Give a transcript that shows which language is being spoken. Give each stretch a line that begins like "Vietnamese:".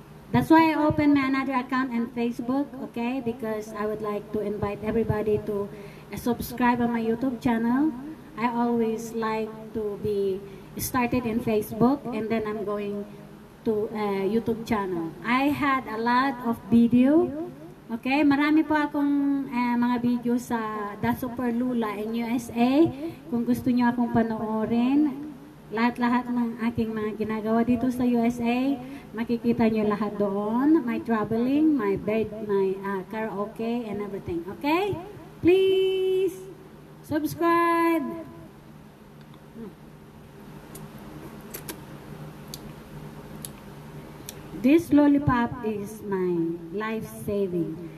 English: That's why I opened my another account on Facebook, okay? Because I would like to invite everybody to subscribe on my YouTube channel. I always like to be started in Facebook and then I'm going to YouTube channel. I had a lot of video, okay?
Filipino: Marami po akong mga video sa The Super Lula in USA. Kung gusto niyo akong panoorin, lahat-lahat ng aking mga ginagawa dito sa USA, makikita niyo lahat doon.
English: My traveling, my bed, my karaoke, and everything. Okay? Please, subscribe! This lollipop is my life-saving.